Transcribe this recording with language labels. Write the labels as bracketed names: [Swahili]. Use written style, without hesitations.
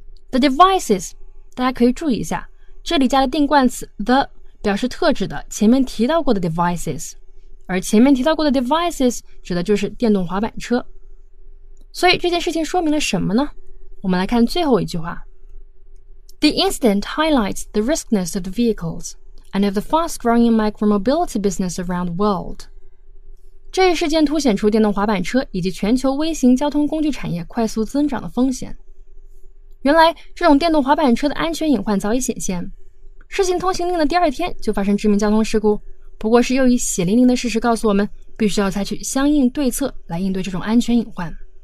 [Chinese] The devices, 大家可以注意一下，这里加了定冠词 the, 表示特指的前面提到过的 devices。而前面提到过的 devices 指的就是电动滑板车。所以这件事情说明了什么呢？我们来看最后一句话。 [English] The incident highlights the riskiness of the vehicles and of the fast-growing micro-mobility business around the world. [Chinese] 这一事件凸显出电动滑板车以及全球微型交通工具产业快速增长的风险。原来这种电动滑板车的安全隐患早已显现。试行通行令的第二天就发生致命交通事故，不过是又一血淋淋的事实告诉我们，必须要采取相应对策来应对这种安全隐患。